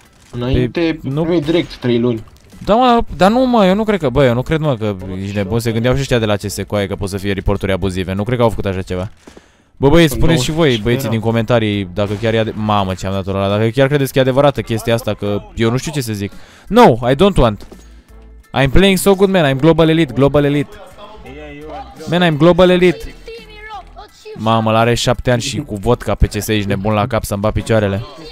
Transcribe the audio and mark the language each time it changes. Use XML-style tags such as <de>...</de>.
<ro>Înainte, pe, nu primei direct 3 luni. Da, mă, dar nu, mă, eu nu cred că, bă, eu nu cred, mă, că ești nebun, se gândeau și ăștia de la CS cu aia că pot să fie reporturi abuzive, nu cred că au făcut așa ceva. Bă, băieți, spuneți și voi, băieții, din comentarii, dacă chiar e mamă, ce am dat-o ăla, dacă chiar credeți că e adevărată chestia asta, că eu nu știu ce să zic.</ro> <en>No, I don't want. I'm playing so good, man, I'm global elite, global elite. Man, I'm global elite.</en> <ro>Mamă, l-are 7 ani și cu vodka pe CS, ești nebun la cap să-mi bat picioarele.</ro>